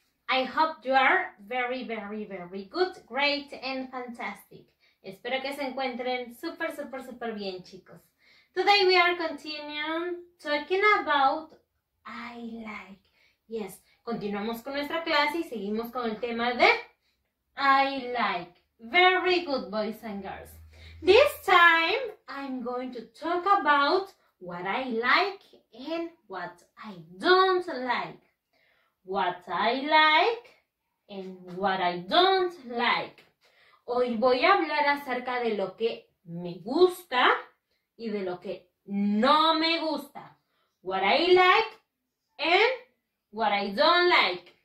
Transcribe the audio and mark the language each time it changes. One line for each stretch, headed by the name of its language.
English: I hope you are very, very, very good, great, and fantastic.
Spanish: Espero que se encuentren super, super, super bien, chicos.
English: Today we are continuing talking about I like.
Spanish: Yes, continuamos con nuestra clase y seguimos con el tema de
English: I like. Very good, boys and girls. This time, I'm going to talk about what I like and what I don't like. What I like and what I don't like.
Spanish: Hoy voy a hablar acerca de lo que me gusta y de lo que no me gusta.
English: What I like and what I don't like.